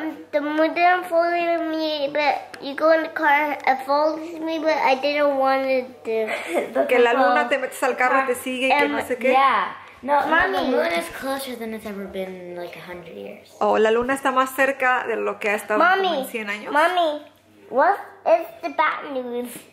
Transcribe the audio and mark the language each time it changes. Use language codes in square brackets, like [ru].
[en] The moon didn't follow me, but you go in the car and follows me, but I didn't want to do. [es] Que la luna te metes al carro y te sigue y que no sé qué. [en] Yeah. [es] No, mami. [en] The moon is closer than it's ever been in like 100 years. [es] Oh, la luna está más cerca de lo que ha estado mami, como en 100 años. [en] Mami, what is the bad news?